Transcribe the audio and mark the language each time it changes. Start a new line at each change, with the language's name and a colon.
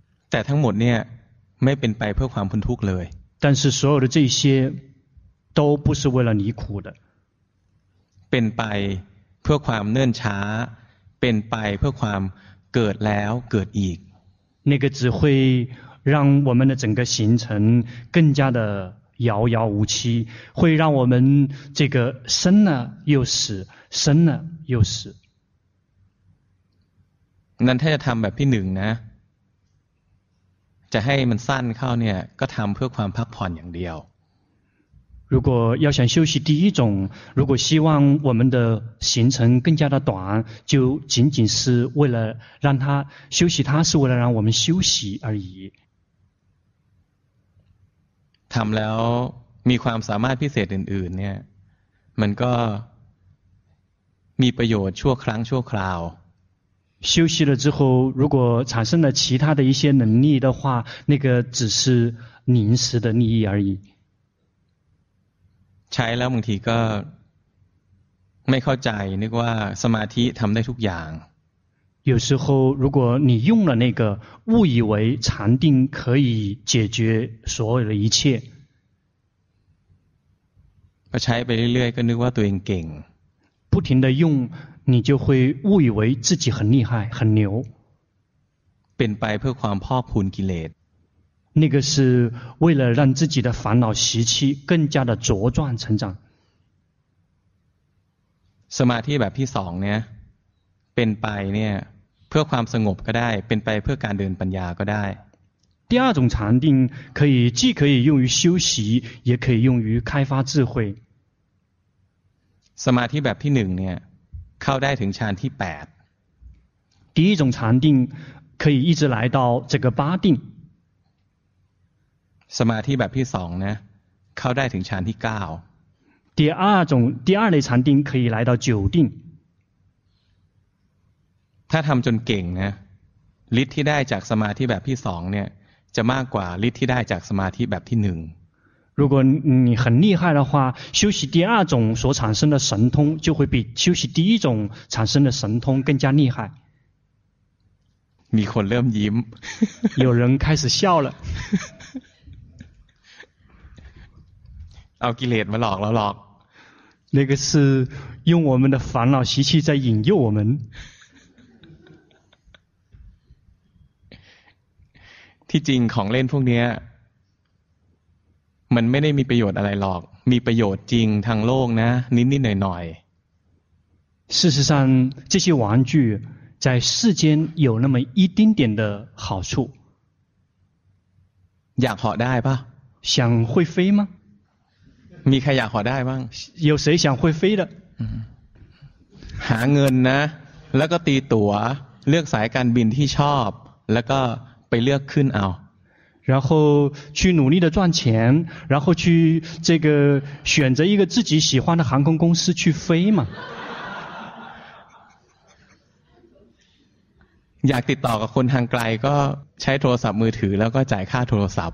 Thai: แต่ทั้งหมดเนี่ยไม่เป็นไปเพื่อความพ้นทุกข์เลย
Chinese: 但是所有的这些都不是为了离苦的
Thai: เป็นไปเพื่อความเนื่นช้าเป็นไปเพื่อความเกิดแล้วเกิดอีก นั่นก็จะ
Chinese: 会让我们的整个行程更加的遥遥无期会让我们这个生了又死生了又死
Thai: นั่นถ้าจะทำแบบที่หนึ่งนะจะให้มันสั้นเข้าเนี่ยก็ทำเพื่อความพักผ่อนอย่างเดียว
Chinese: 如果要想休息第一种如果希望我们的行程更加的短就仅仅是为了让他休息他是为了让我们休息而已
Thai: ทำแล้วมีความสามารถพิเศษอื่นๆเนี่ยมันก็มีประโยชน์ชั่วครั้งชั่วคราว
Chinese: 休息了之后如果产生了其他的一些能力的话那个只是临时的利益而已
Thai: ใช้แล้วบางทีก็ไม่เข้าใจนึกว่าสมาธิทำได้ทุกอย่าง
Chinese: 有时候如果你用了那个误以为禅定可以解决所有的一切
Thai: พอใช้ไปเรื่อยๆก็นึกว่าตัวเองเก่ง
Chinese: 不停的用你就会误以为自己很厉害很牛
Thai: เป็นไปเพื่อความพอกพูนกิเลส นั่นก็
Chinese: 是为了让自己的烦恼习气更加的茁壮成长
Thai: สมาธิแบบที่สองเนี่ยเป็นไปเนี่ยเพื่อความสงบก็ได้เป็นไปเพื่อการเดินปัญญาก็ได้
Chinese: 第二种禅定可以既可以用于修习也可以用于开发智慧
Thai: สมาธิแบบที่หนึ่งเนี่ยเข้าได้ถึงฌานที่แปด
Chinese: 第一种禅定可以一直来到这个八定
Thai: สมาธิแบบที่สองนะเข้าได้ถึงฌานที่เก้า
Chinese: 第二种第二类禅定可以来到九定
Thai: ถ้าทำจนเก่งนะฤทธิ์ที่ได้จากสมาธิแบบที่สองเนี่ยจะมากกว่าฤทธิ์ที่ได้จากสมาธิแบบที่หนึ่ง
Chinese: 如果你很厉害的话，修习第二种所产生的神通就会比修习第一种产生的神通更加厉害。
Thai: มีคนเริ่มยิ้ม
Chinese: 有人开始笑了
Thai: เอากิเลสมาหลอกเราหลอก
Chinese: 那个是用我们的烦恼习气在引诱我们
Thai: ที่จริงของเล่นพวกนี้มันไม่ได้มีประโยชน์อะไรหรอกมีประโยชน์จริงทางโลกนะนิดๆหน่อย
Chinese: ๆ事实上这些玩具在世间有那么一丁点的好处
Thai: อยากห่อได้ป่ะ
Chinese: 想会飞吗
Thai: มีใครอยากห่อได้บ้าง
Chinese: 有谁想会飞的
Thai: หาเงินนะแล้วก็ตีตั๋วเลือกสายการบินที่ชอบแล้วก็ไปเลือกขึ้นเอา
Chinese: 然后去努力的赚钱，然后去这个选择一个自己喜欢的航空公司去飞嘛。
Thai: อยากติดต่อกับคนทางไกลก็ใช้โทรศัพท์มือถือแล้วก็จ่ายค่าโทรศัพท